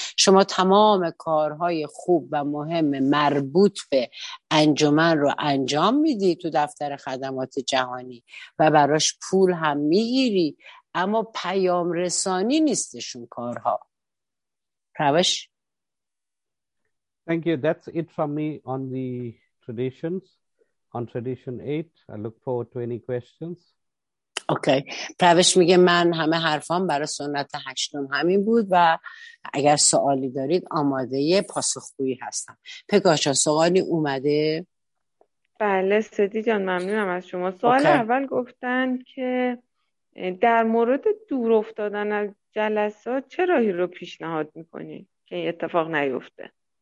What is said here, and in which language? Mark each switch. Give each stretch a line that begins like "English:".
Persian: شما تمام کارهای خوب و مهم مربوط به انجمن رو انجام میدی تو دفتر خدمات جهانی و براش پول هم میگیری، اما پیام رسانی نیستشون کارها. روش؟
English: Thank you. That's it from me on the traditions, on tradition 8. I look forward to any questions.
Persian: اوکی. پروش میگه من همه حرفام برای سنت هشتم همین بود و اگر سوالی دارید آماده پاسخگویی هستم. پگاشا سوالی اومده؟ بله سدی جان، ممنونم از شما. سوال اول گفتن که در مورد دور افتادن از جلسات چه راهی رو پیشنهاد میکنی که این اتفاق نیفته؟